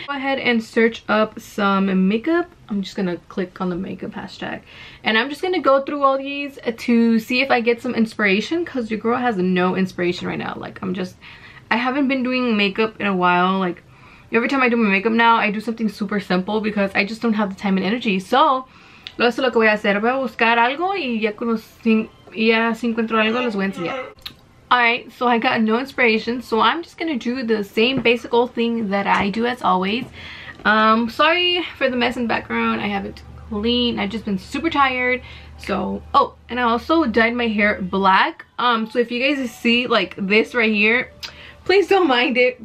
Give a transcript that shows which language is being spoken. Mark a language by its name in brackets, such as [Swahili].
[English] Go ahead and search up some makeup. I'm just gonna click on the makeup hashtag and I'm just gonna go through all these to see if I get some inspiration, because your girl has no inspiration right now. Like I haven't been doing makeup in a while. Like every time I do my makeup now, I do something super simple because I just don't have the time and energy. [Spanish] So eso es lo que voy a hacer. Voy a buscar algo y ya conocen. Yeah, si encuentro algo, les voy a enseñar. [English] Alright, so I got no inspiration, so I'm just gonna do the same basic old thing that I do as always. Sorry for the mess in the background. I haven't cleaned. I've just been super tired. So, oh, and I also dyed my hair black. So if you guys see like this right here, please don't mind it.